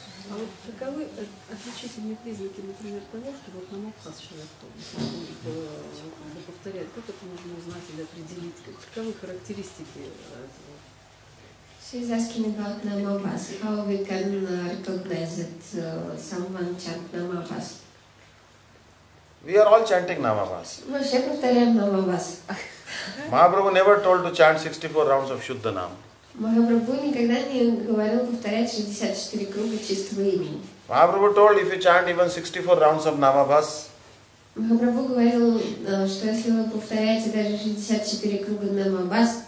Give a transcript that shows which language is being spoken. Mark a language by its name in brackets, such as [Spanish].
[Russian] А вот каковы отличительные признаки, например, того, что вот намахас человек повторяет, как это можно узнать или определить, каковы характеристики этого? [English] She's asking about намахас. How we can recognize that someone chant намахас? We are all chanting намахас. [Russian] Мы все повторяем намахас. [English] Mahaprabhu never told to chant 64 rounds of Shuddha Nam. [Russian] Махапрабху никогда не говорил повторять 64 круга чистого имени. [English] Махапрабху told if you chant even 64 rounds of Намабас. [Russian] Махапрабху говорил, что если вы повторяете даже 64 круга Намабас,